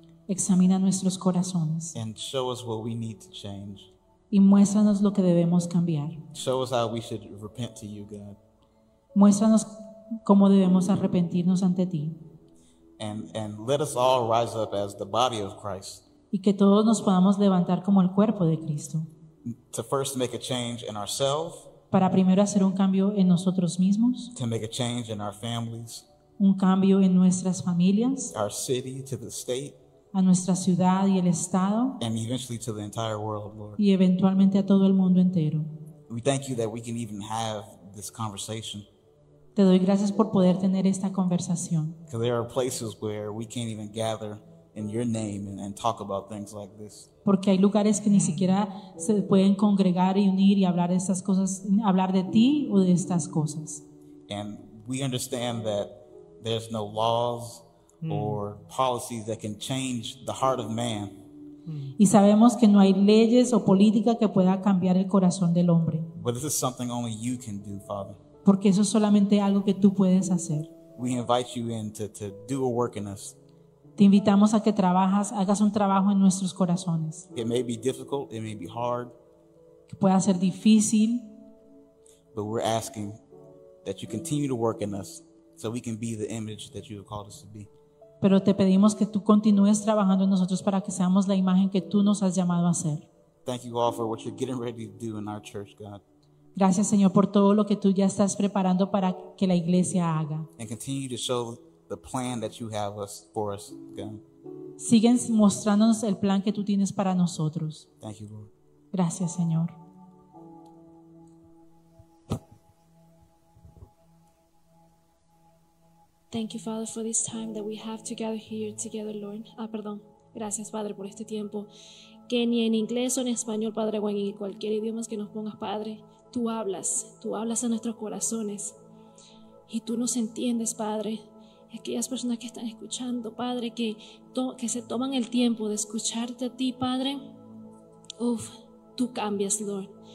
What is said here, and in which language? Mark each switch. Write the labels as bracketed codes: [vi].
[es] Examina nuestros corazones. [en] And show us what we need to change. [es] Y muéstranos lo que debemos cambiar. [en] Show us how we should repent to you, God. [es] Muéstranos cómo debemos arrepentirnos ante ti. [en] And let us all rise up as the body of Christ. [es] Y que todos nos podamos levantar como el cuerpo de Cristo. [en] To first make a change in ourselves. [es] Para primero hacer un cambio en nosotros mismos. [en] To make a change in our families. [es] Un cambio en nuestras familias. [en] Our city to the state. [es] A nuestra ciudad y el estado. [en] And eventually to the entire world, Lord. [es] Y eventualmente a todo el mundo entero. [en] We thank you that we can even have this conversation. [es] Te doy gracias por poder tener esta conversación. [en] Because there are places where we can't even gather in your name and talk about things like this. [es] Porque hay lugares que ni siquiera se pueden congregar y unir y hablar de estas cosas, hablar de ti o de estas cosas. [en] And we understand that there's no laws or policies that can change the heart of man. [es] Y sabemos que no hay leyes o política que pueda cambiar el corazón del hombre. [en] But this is something only you can do, Father. [es] Porque eso es solamente algo que tú puedes hacer. [en] We invite you in to do a work in us. [es] Te invitamos a que trabajas, hagas un trabajo en nuestros corazones. [en] It may be difficult, it may be hard. [es] Que pueda ser difícil. [en] But we're asking that you continue to work in us so we can be the image that you have called us to be. [es] Pero te pedimos que tú continúes trabajando en nosotros para que seamos la imagen que tú nos has llamado a ser. [en] Thank you all for what you're getting ready to do in our church, God. [es] Gracias, Señor, por todo lo que tú ya estás preparando para que la iglesia haga. [en] And continue to show the plan that you have for us, God. [es] Siguen mostrándonos el plan que tú tienes para nosotros. [en] Thank you, Lord. [es] Gracias, Señor. [en] Thank you, Father, for this time that we have together here together, Lord. [es] Perdón. Gracias, Padre, por este tiempo. Que ni en inglés o en español, Padre, o en cualquier idioma que nos pongas, Padre, tú hablas a nuestros corazones. Y tú nos entiendes, Padre. Aquellas personas que están escuchando, Padre, que se toman el tiempo de escucharte a ti, Padre, uf, tú cambias, Lord.